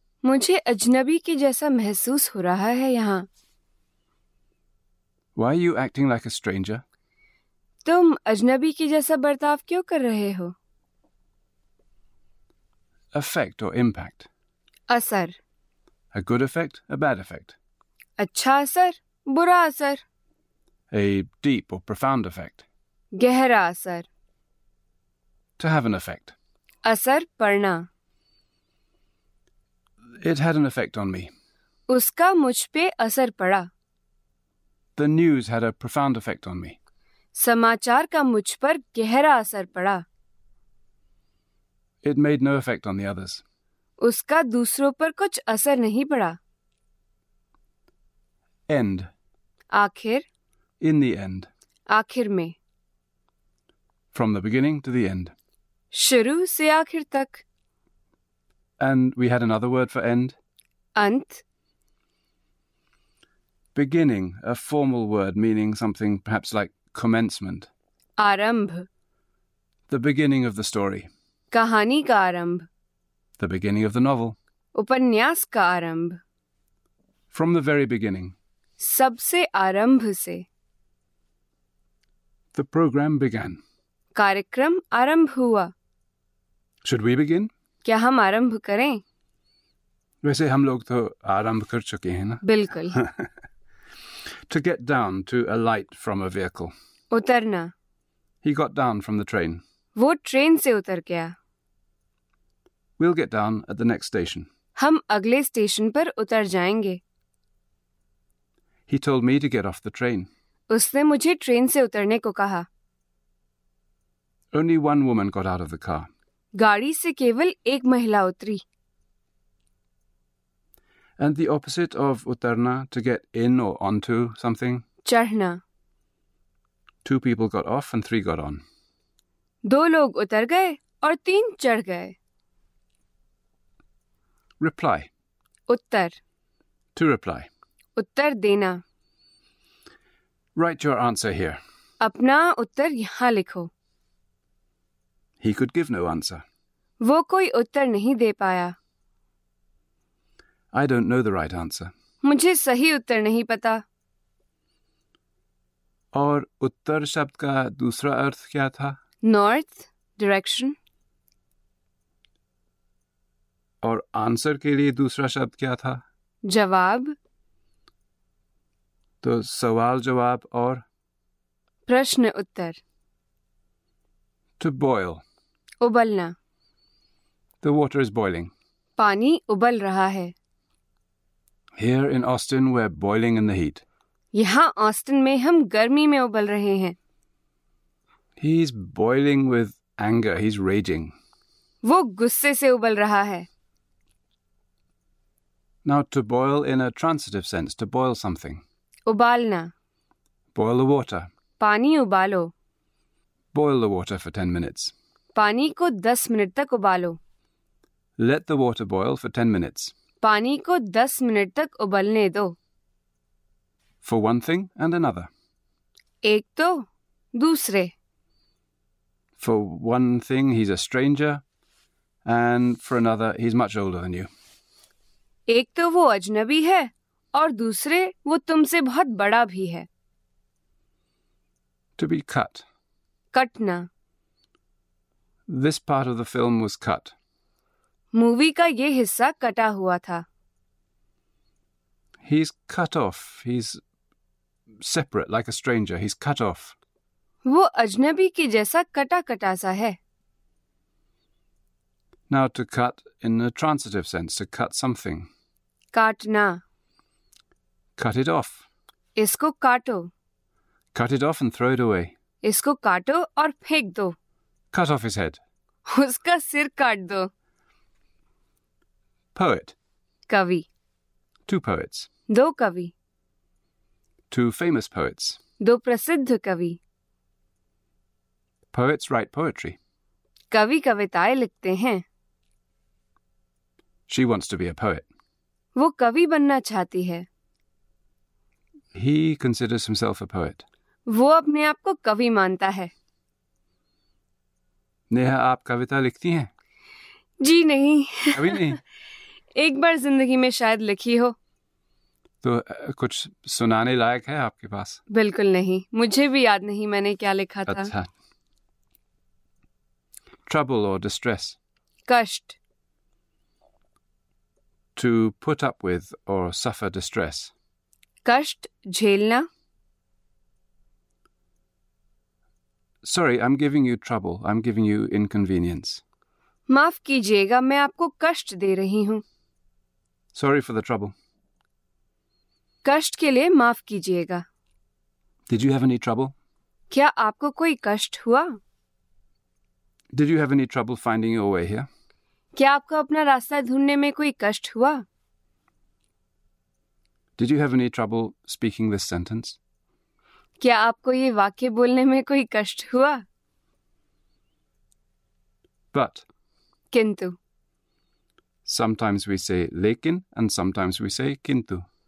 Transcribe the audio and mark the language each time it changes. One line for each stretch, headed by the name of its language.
Hindi: मुझे अजनबी के जैसा महसूस हो रहा है यहाँ।
English: Why are you acting like a stranger?
Hindi: तुम अजनबी के जैसा बर्ताव क्यों कर रहे हो?
English: Effect or impact?
Hindi: असर।
English: A good effect, a bad effect?
Hindi: अच्छा असर, बुरा असर।
English: A deep or profound effect?
Hindi: गहरा असर।
English: To have an effect.
Hindi: असर पड़ना।
English: It had an effect on me.
Hindi: उसका मुझ पे असर पड़ा।
English: The news had a profound effect on me.
Hindi: समाचार का मुझ पर गहरा असर पड़ा।
English: It made no effect on the others.
Hindi: उसका दूसरों पर कुछ असर नहीं पड़ा।
English: End.
Hindi: आखिर।
English: In the end.
Hindi: आखिर में।
English: From the beginning to the end.
Hindi: शुरू से आखिर तक।
English: And we had another word for end.
Hindi: अंत।
English: Beginning, a formal word meaning something perhaps like commencement.
Hindi: आरंभ।
English: The beginning of the story.
Hindi: कहानी का आरंभ।
English: The beginning of the novel.
Hindi: उपन्यास का आरंभ।
English: From the very beginning.
Hindi: सबसे आरंभ से।
English: The program began.
Hindi: कार्यक्रम आरंभ हुआ।
English: Should we begin?
Hindi: क्या हम आरंभ करें? वैसे हम लोग तो आरंभ कर चुके हैं ना। बिल्कुल।
English: To get down to alight from a vehicle.
Hindi: उतरना।
English: He got down from the train.
Hindi: वो ट्रेन से उतर गया।
English: We'll get down at the next station.
Hindi: हम अगले स्टेशन पर उतर जाएंगे।
English: He told me to get off the train.
Hindi: उसने मुझे ट्रेन से उतरने को कहा।
English: Only one woman got out of the car.
Hindi: गाड़ी से केवल एक महिला उतरी।
English: And the opposite of utarna, to get in or onto something?
Hindi: चढ़ना।
English: Two people got off and three got on.
Hindi: दो लोग उतर गए और तीन चढ़ गए।
English: Reply.
Hindi: उत्तर।
English: To reply.
Hindi: उत्तर देना।
English: Write your answer here.
Hindi: अपना उत्तर यहाँ लिखो।
English: He could give no answer.
Hindi: वो कोई उत्तर नहीं दे पाया।
English: I don't know the right answer.
Hindi: मुझे सही उत्तर नहीं पता। और उत्तर शब्द का दूसरा अर्थ क्या था?
English: North, direction.
Hindi: और आंसर के लिए दूसरा शब्द क्या था? जवाब। तो सवाल जवाब और प्रश्न उत्तर।
English: To boil.
Hindi: उबलना।
English: The water is boiling.
Hindi: पानी उबल रहा है।
English: Here in Austin, we're boiling in the heat.
Hindi: यहाँ ऑस्टिन में हम गर्मी में उबल रहे हैं।
English: He's boiling with anger. He's raging.
Hindi: वो गुस्से से उबल रहा है।
English: Now to boil in a transitive sense, to boil something.
Hindi: उबालना।
English: Boil the water.
Hindi: पानी उबालो।
English: Boil the water for 10 minutes.
Hindi: पानी को 10 मिनट तक उबालो।
English: Let the water boil for 10 minutes.
Hindi: पानी को 10 मिनट तक उबलने दो।
English: For one thing and another.
Hindi: एक तो, दूसरे।
English: For one thing, he's a stranger, and for another, he's much older than you.
Hindi: एक तो वो अजनबी है, और दूसरे वो तुमसे बहुत बड़ा भी है।
English: To be cut.
Hindi: कटना।
English: This part of the film was cut.
Hindi: Movie का ये हिस्सा कटा हुआ था।
English: He's cut off. He's separate, like a stranger. He's cut off.
Hindi: वो अजनबी की जैसा कटा कटा सा है।
English: Now to cut in a transitive sense, to cut something.
Hindi: काटना।
English: Cut it off.
Hindi: इसको काटो।
English: Cut it off and throw it away.
Hindi: इसको काटो और फेंक दो।
English: Cut off his head.
Hindi: उसका सिर काट दो।
English: Poet.
Hindi: Kavi.
English: Two poets.
Hindi: Do kavi.
English: Two famous poets.
Hindi: Do prasiddh kavi.
English: Poets write poetry.
Hindi: Kavi kavitaye likhte hain.
English: She wants to be a poet.
Hindi: Wo kavi banna chahti hai.
English: He considers himself a poet.
Hindi: वो अपने आप को कवि मानता है. नेहा, आप कविता लिखती हैं? जी नहीं. अभी नहीं? एक बार जिंदगी में शायद लिखी हो. तो कुछ सुनाने लायक है आपके पास? बिल्कुल नहीं, मुझे भी याद नहीं मैंने क्या लिखा था. अच्छा.
English: Trouble or distress.
Hindi: कष्ट.
English: To put up with or suffer distress.
Hindi: कष्ट झेलना.
English: Sorry, I'm giving you trouble. I'm giving you inconvenience.
Hindi: माफ कीजिएगा, मैं आपको कष्ट दे रही हूँ.
English: Sorry for the trouble.
Hindi: कष्ट के लिए माफ कीजिएगा.
English: Did you have any trouble?
Hindi: क्या आपको कोई कष्ट हुआ?
English: Did you have any trouble finding your way here?
Hindi: क्या आपको अपना रास्ता ढूंढने में कोई कष्ट हुआ?
English: Did you have any trouble speaking this sentence?
Hindi: क्या आपको ये वाक्य बोलने में कोई कष्ट हुआ?
English: But
Hindi: किंतु.
English: Sometimes we say लेकिन and sometimes we say किंतु.